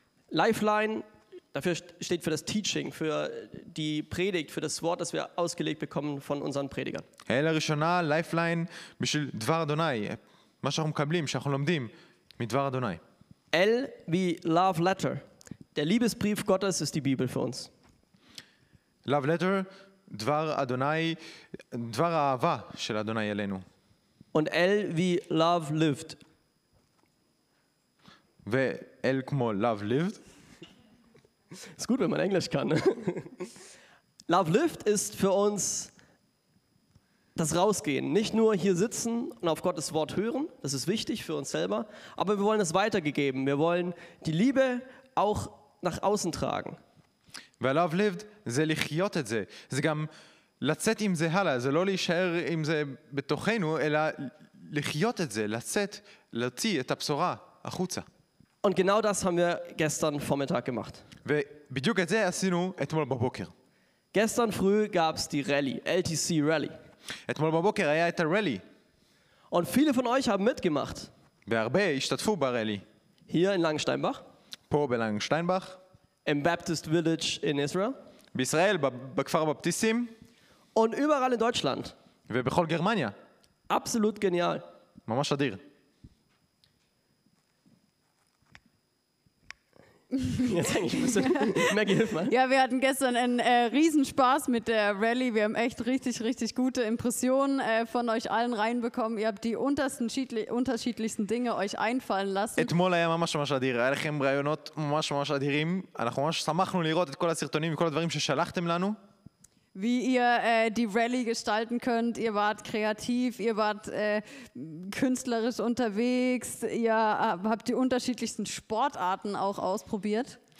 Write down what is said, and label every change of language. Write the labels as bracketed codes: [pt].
[de] Lifeline, dafür steht für das Teaching, für die Predigt, für das Wort, das wir ausgelegt bekommen von unseren Predigern. [he] L הראשונה, Lifeline, בשביל דבר אדוני. מה שאנחנו מקבלים, שאנחנו לומדים, מדבר אדוני. [de] L wie Love Letter. Der Liebesbrief Gottes ist die Bibel für uns. [he] Love Letter, Dvar Adonai, Dvar Ahava shel Adonai Elenu. [de] Und L wie Love Lived. [he] Ve L kmo Love Lived. [de] Ist gut, wenn man Englisch kann. Ne? Love Lived ist für uns das Rausgehen, nicht nur hier sitzen und auf Gottes Wort hören, das ist wichtig für uns selber, aber wir wollen es weitergegeben. Wir wollen die Liebe auch nach außen tragen. [he] Weil Love Lived, זה לחיות את זה. זה גם לצאת עם זה הלאה. זה לא להישאר עם זה בתוכנו, אלא לחיות את זה, לצאת, להוציא את הבשורה החוצה. [de] Und genau das haben wir gestern Vormittag gemacht. [he] ובדיוק את זה עשינו אתמול בבוקר. [de] Gestern früh gab es die Rally, LTC Rally. [he] אתמול בבוקר היה את הרלי. [de] Und viele von euch haben mitgemacht. [he] והרבה השתתפו ברלי. [de] Hier in Langensteinbach. [he] פה בלנגשטיינבך. [de] Im Baptist Village in Israel. [he] בישראל, בכפר הבפטיסטים. [de] Und überall in Deutschland. [he] ובכל גרמניה. [de] Absolut genial. [he] ממש אדיר. [de] Ja, wir hatten gestern einen Riesenspaß mit der Rally. Wir haben echt richtig, richtig gute Impressionen von euch allen reinbekommen. Ihr habt die unterschiedlichsten Dinge euch einfallen lassen. [he] אתמול היה ממש ממש אדיר. היה לכם רעיונות ממש ממש אדירים. אנחנו ממש שמחנו לראות את כל הסרטונים וכל הדברים ששלחתם לנו. [de] wie ihr die Rallye gestalten könnt. Ihr wart kreativ, ihr wart künstlerisch unterwegs, ihr habt die unterschiedlichsten Sportarten auch ausprobiert.